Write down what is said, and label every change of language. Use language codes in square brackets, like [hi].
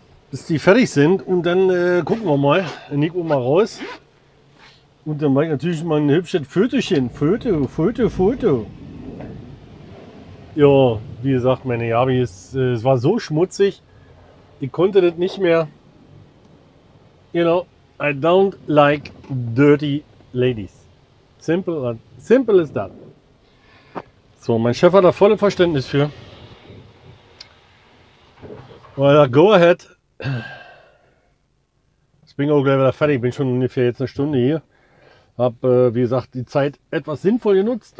[de] Bis die fertig sind und dann gucken wir mal. Nico mal raus. Und dann mache ich natürlich mal ein hübsches Fötchen. Foto. Ja, wie gesagt, meine Javi, es war so schmutzig. Ich konnte das nicht mehr. [en] You know, I don't like dirty ladies. Simple as that. [de] So, mein Chef hat da volle Verständnis für. [en] Well, go ahead. [de] Ich bin auch gleich wieder fertig. Ich bin schon ungefähr jetzt eine Stunde hier. Hab, wie gesagt, die Zeit etwas sinnvoll genutzt.